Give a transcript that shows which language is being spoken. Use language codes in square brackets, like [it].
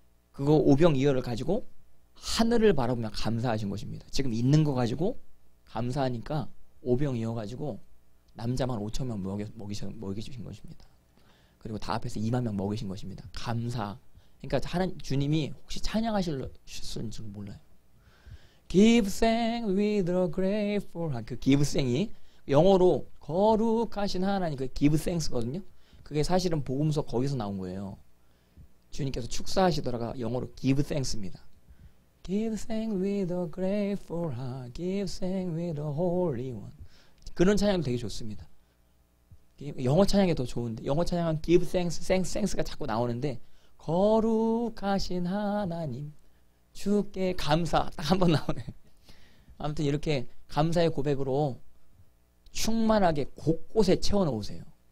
[ko] 그거 오병이어를 가지고 하늘을 바라보며 감사하신 것입니다. 지금 있는 거 가지고 감사하니까 오병이어 가지고 남자만 5천 명 먹이신 것입니다. 그리고 다 앞에서 2만 명 먹이신 것입니다. 감사. 그러니까 주님이 혹시 찬양하실지 몰라요. [en] Give thanks with a grateful heart. [ko] 그 give thanks이 영어로 거룩하신 하나님 그 give thanks거든요. 그게 사실은 복음서 거기서 나온 거예요. 주님께서 축사하시더라가 영어로 give thanks입니다. [en] Give thanks with a grateful heart. Give thanks with a holy one. [ko] 그런 찬양도 되게 좋습니다. 영어 찬양이 더 좋은데 영어 찬양은 give thanks, thanks가 자꾸 나오는데 거룩하신 하나님 주께 감사 딱 한번 나오네. 아무튼 이렇게 감사의 고백으로 충만하게 곳곳에 채워놓으세요.